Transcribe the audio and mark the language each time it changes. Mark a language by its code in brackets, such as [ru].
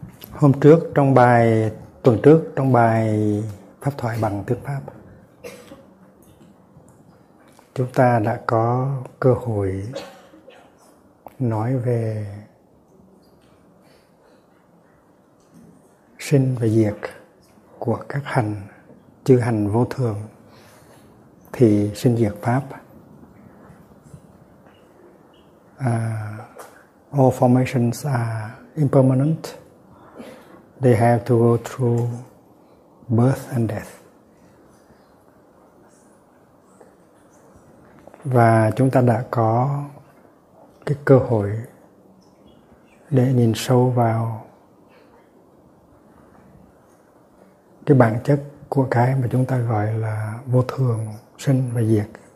[vi] Hôm trước trong bài, tuần trước trong bài Pháp Thoại Bằng Tiếng Pháp, chúng ta đã có cơ hội nói về sinh và diệt của các hành, chư hành vô thường thì sinh diệt pháp. [en] All formations are impermanent. They have to go through birth and death. [vi] Và chúng ta đã có cái cơ hội để nhìn sâu vào cái bản chất của cái mà chúng ta gọi là vô thường, sinh và diệt.